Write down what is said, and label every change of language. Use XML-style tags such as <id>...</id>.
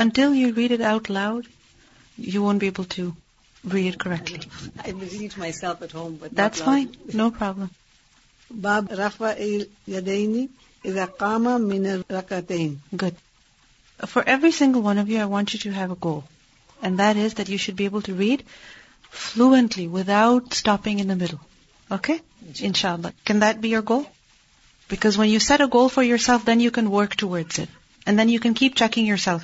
<en>Until you read it out loud, you won't be able to read it correctly. I'm reading to myself at home, but that's fine. No problem.</en> <ar>باب رفع يديني إذا قام من الركعتين.</ar> <en>Good. For every single one of you, I want you to have a goal. And that is that you should be able to read fluently without stopping in the middle. Okay? Inshallah. Can that be your goal? Because when you set a goal for yourself, then you can work towards it. And then you can keep checking yourself.</en>